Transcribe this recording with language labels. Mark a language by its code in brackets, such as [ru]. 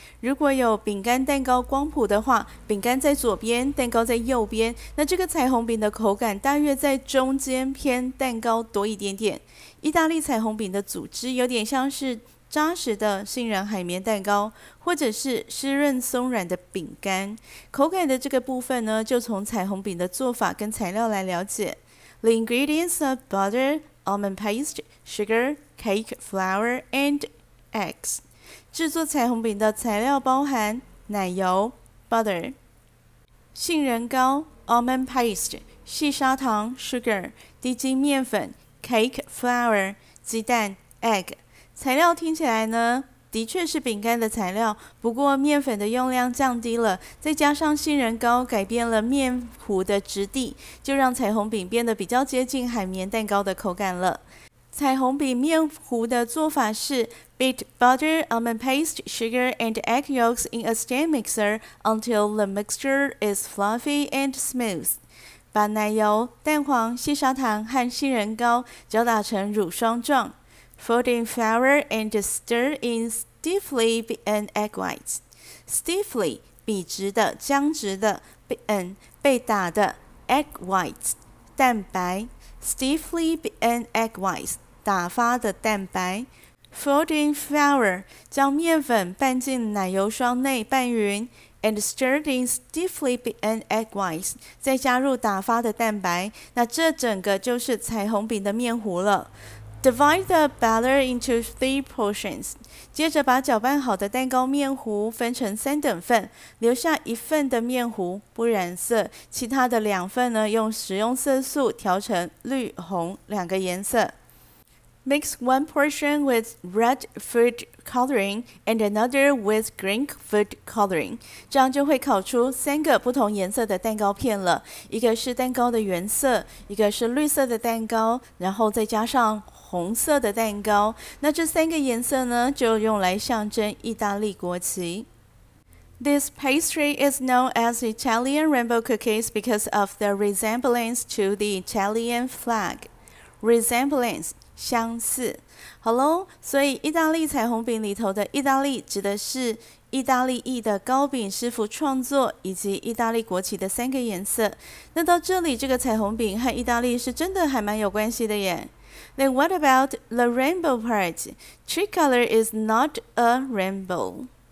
[zh] 如果有饼干蛋糕光谱的话，饼干在左边，蛋糕在右边，那这个彩虹饼的口感大约在中间偏蛋糕多一点点。意大利彩虹饼的组织有点像是扎实的杏仁海绵蛋糕，或者是湿润松软的饼干。口感的这个部分呢，就从彩虹饼的做法跟材料来了解。 [en] The ingredients are butter,Almond paste, sugar, cake, flour, and eggs. [zh] 制作彩虹饼的材料包含奶油 butter, 杏仁糕 almond paste, 细砂糖 sugar, 低筋面粉 cake, flour, 鸡蛋 egg. 材料听起来呢，的确是饼干的材料，不过面粉的用量降低了，再加上杏仁糕改变了面糊的质地，就让彩虹饼变得比较接近海绵蛋糕的口感了。彩虹饼面糊的做法是 [en] beat butter, almond paste, sugar and egg yolks in a stand mixer until the mixture is fluffy and smooth. [zh] 把奶油、蛋黄、细砂糖和杏仁糕搅打成乳霜状。 [en] Fold in flour and stir in stiffly beaten egg whites. Stiffly, 笔直的、僵直的 beaten, 被打的 egg whites, 蛋白 Stiffly beaten egg whites, 打发的蛋白 Fold in flour, [zh] 将面粉拌进奶油霜内拌匀 [en] And stir in stiffly beaten egg whites, [zh] 再加入打发的蛋白那这整个就是彩虹饼的面糊了 [en] Divide the batter into three portions. [zh] 接着把搅拌好的蛋糕面糊分成三等份，留下一份的面糊不染色，其他的两份呢用食用色素调成绿红两个颜色。 [en] Mix one portion with red food coloring and another with green food coloring. [zh] 这样就会烤出三个不同颜色的蛋糕片了。一个是蛋糕的原色，一个是绿色的蛋糕，然后再加上红色的蛋糕，那这三个颜色呢，就用来象征意大利国旗。 [en] This pastry is known as Italian rainbow cookies because of the resemblance to the Italian flag. Resemblance, [zh] 相似。好咯，所以意大利彩虹饼里头的意大利指的是意大利裔的糕饼师傅创作以及意大利国旗的三个颜色。那到这里，这个彩虹饼和意大利是真的还蛮有关系的耶。 [en] Then what about the rainbow part? Tricolor is not a rainbow.